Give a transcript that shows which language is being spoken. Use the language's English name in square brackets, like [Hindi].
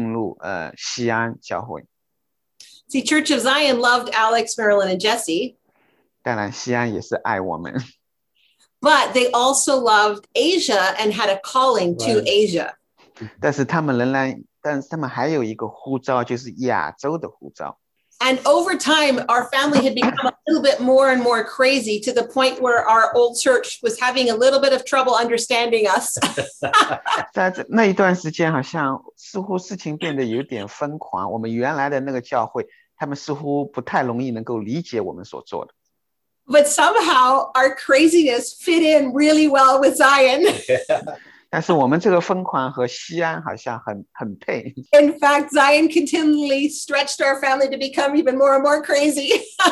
[Chinese] 但是确实有很这个事情重要的事情发生，当我们转变进入西安教会。 [English] See, Church of Zion loved Alex, Marilyn, and Jesse. [Chinese] 当然，西安也是爱我们。 [English] But they also loved Asia and had a calling to Asia. [Chinese] 但是他们仍然，但是他们还有一个呼召，就是亚洲的呼召。 [English] And over time, our family had become a little bit more and more crazy to the point where our old church was having a little bit of trouble understanding us. [Chinese] 在那一段时间，好像似乎事情变得有点疯狂。我们原来的那个教会。 [English] But somehow our craziness fit in really well with Zion. [Chinese] 但是我们这个疯狂和西安好像很配。 [English] In fact, Zion continually stretched our family to become even more and more crazy.